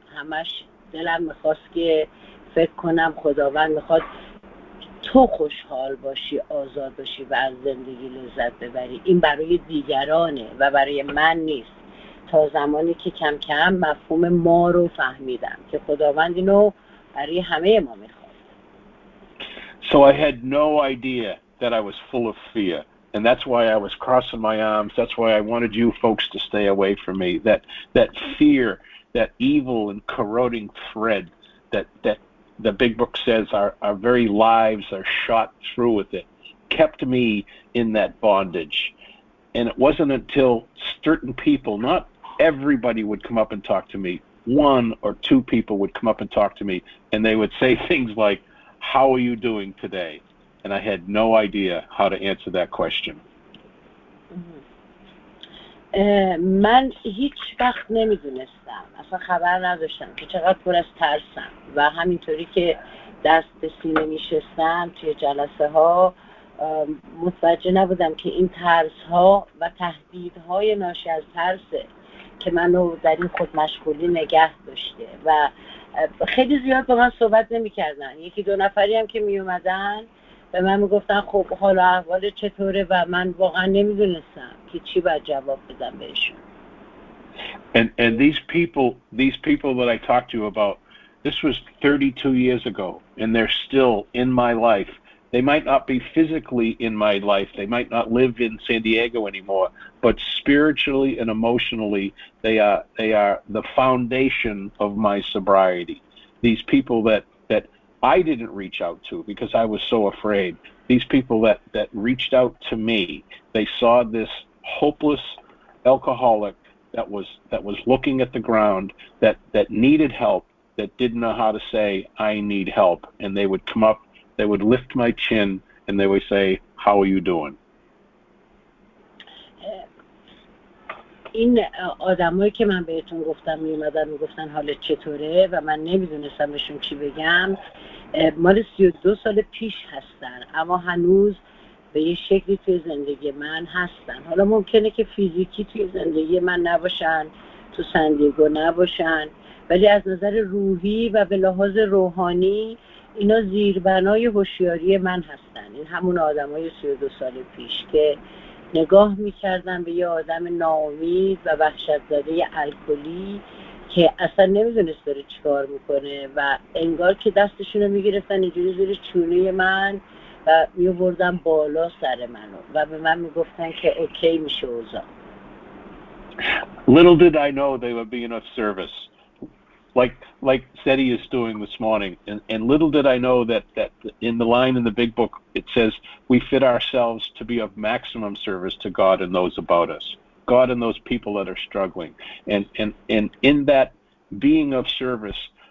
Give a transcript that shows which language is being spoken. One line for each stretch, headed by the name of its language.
Persian: همش دلم میخواست که فکر کنم خداوند میخواد تو خوشحال باشی، آزاد باشی و از زندگی لذت ببری. این برای دیگرانه و برای من نیست. تا زمانی که کم کم مفهوم ما رو فهمیدم که خداوند اینو برای همه ما میخواد.
English: So I had no idea that I was full of fear, and that's why I was crossing my arms. That's why I wanted you folks to stay away from me. That fear, that evil and corroding thread that the big book says our very lives are shot through with it, kept me in that bondage. And it wasn't until certain people, not everybody would come up and talk to me, one or two people would come up and talk to me, and they would say things like, how are you doing today? And I had no idea how to answer that question.
Persian: من هیچ وقت نمیدونستم، اصلا خبر نداشتم که چقدر پر از ترسم. و همینطوری که دست به سینه میشستم توی جلسه ها متوجه نبودم که این ترس ها و تهدید های ناشی از ترسه که منو در این خودمشغولی نگه داشته. و خیلی زیاد با من صحبت نمی کردن. یکی دو نفری هم که می اومدن به من می گفتن خب حالا احوال چطوره، و من واقعا نمی دونستم که چی باید جواب بدم بهشون.
English: And these people that I talked to you about, this was 32 years ago and they're still in my life. They might not be physically in my life. They might not live in San Diego anymore, but spiritually and emotionally, they are the foundation of my sobriety. These people that I didn't reach out to because I was so afraid. These people that reached out to me, they saw this hopeless alcoholic that was looking at the ground, that needed help, that didn't know how to say I need help, and they would come up. They would lift my chin and they would say, how are you doing?
Persian: این آدمایی که من بهتون گفتم میومدن میگفتن حالت چطوره و من نمیدونستم بهشون چی بگم، مال 32 سال پیش هستن، اما هنوز به یه شکلی توی زندگی من هستن. حالا ممکنه که فیزیکی توی زندگی من نباشن، تو سندیگو نباشن، ولی از نظر روحی و به لحاظ روحانی اینا زیربنای هوشیاری من هستن. این همون آدم های 32 سال پیش که نگاه میکردن به یه آدم ناامید و وحشت‌زده الکلی که اصلا نمیدونست داره چیکار میکنه و انگار که دستشون رو میگرفتن اینجوری زیر چونه من و میوردن بالا سر منو و به من میگفتن که اوکی میشه اوزا.
English: Little did I know they would be in a service. Like Seti is doing this morning, and little did I know that in the line in the big book it says we fit ourselves to be of maximum service to God and those about us, God and those people that are struggling, and in that being of service,